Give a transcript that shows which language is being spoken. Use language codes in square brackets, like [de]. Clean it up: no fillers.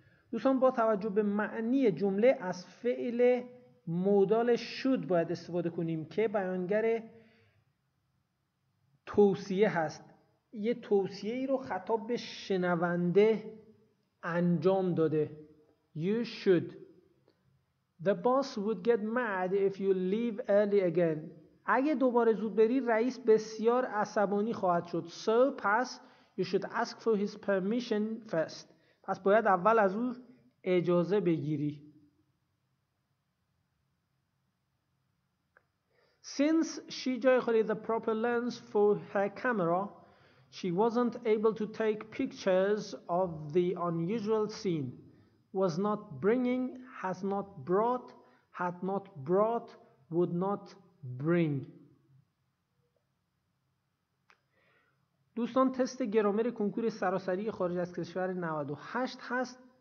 [fa] دوستان با توجه به معنی جمله از فعل مودال should باید استفاده کنیم که بیانگر توصیه هست. یه توصیه ای رو خطاب به شنونده انجام داده. [en] You should. The boss would get mad if you leave early again. [fa] اگه دوباره زود بری رئیس بسیار عصبانی خواهد شد. [en] So, پس you should ask for his permission first. [fa] پس باید اول از او اجازه بگیری. [en] Since she [fa] جای خالی [en] the proper lens for her camera, she wasn't able to take pictures of the unusual scene. Was not bringing, has not brought, had not brought, would not bring. [fa] دوستان تست گرامر کنکور سراسری خارج از کشور 98 هست.